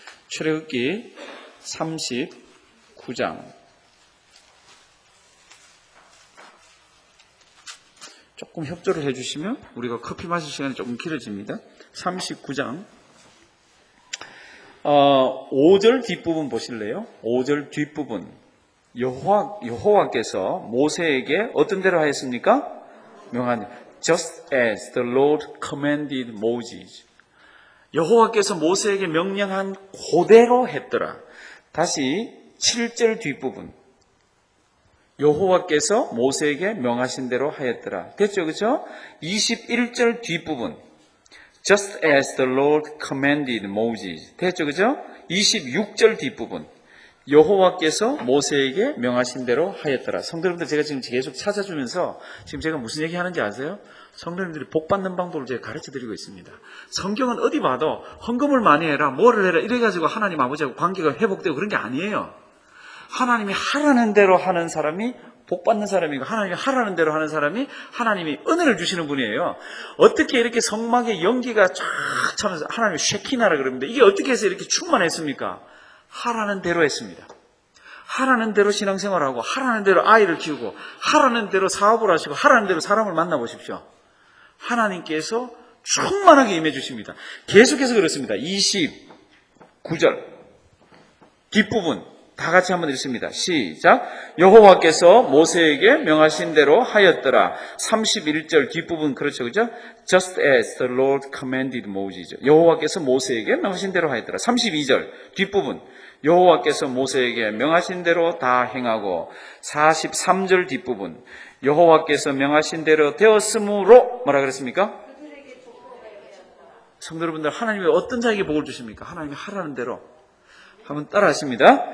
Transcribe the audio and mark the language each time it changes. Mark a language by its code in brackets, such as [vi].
[ko] 출애굽기 39장 조금 협조를 해주시면 우리가 커피 마실 시간이 조금 길어집니다. 39장 5절 뒷부분 보실래요? 5절 뒷부분 여호와께서 모세에게 어떤 대로 하였습니까? 명한 [en] Just as the Lord commanded Moses. [ko] 여호와께서 모세에게 명령한 그대로 했더라. 다시 7절 뒷부분. 여호와께서 모세에게 명하신 대로 하였더라. 됐죠? 그죠? 21절 뒷부분. [en] Just as the Lord commanded Moses. [ko] 됐죠? 그죠? 26절 뒷부분. 여호와께서 모세에게 명하신 대로 하였더라. 성도님들 제가 지금 계속 찾아주면서 지금 제가 무슨 얘기하는지 아세요? 성도님들이 복받는 방법을 제가 가르쳐드리고 있습니다. 성경은 어디 봐도 헌금을 많이 해라, 뭐를 해라 이래가지고 하나님 아버지하고 관계가 회복되고 그런 게 아니에요. 하나님이 하라는 대로 하는 사람이 복받는 사람이고 하나님이 하라는 대로 하는 사람이 하나님이 은혜를 주시는 분이에요. 어떻게 이렇게 성막에 연기가 쫙 차면서 하나님이 쉐키나라 그러는데 이게 어떻게 해서 이렇게 충만했습니까? 하라는 대로 했습니다. 하라는 대로 신앙생활하고 하라는 대로 아이를 키우고 하라는 대로 사업을 하시고 하라는 대로 사람을 만나보십시오. 하나님께서 충만하게 임해 주십니다. 계속해서 그렇습니다. 29절 뒷부분 다 같이 한번 읽습니다. 시작. 여호와께서 모세에게 명하신 대로 하였더라. 31절 뒷부분 그렇죠, 그죠? [en] Just as the Lord commanded Moses. [ko] 여호와께서 모세에게 명하신 대로 하였더라. 32절 뒷부분 여호와께서 모세에게 명하신 대로 다 행하고 43절 뒷부분 여호와께서 명하신 대로 되었으므로 뭐라 그랬습니까? 성도 여러분들, 하나님이 어떤 자에게 복을 주십니까? 하나님이 하라는 대로. 한번 따라 하십니다.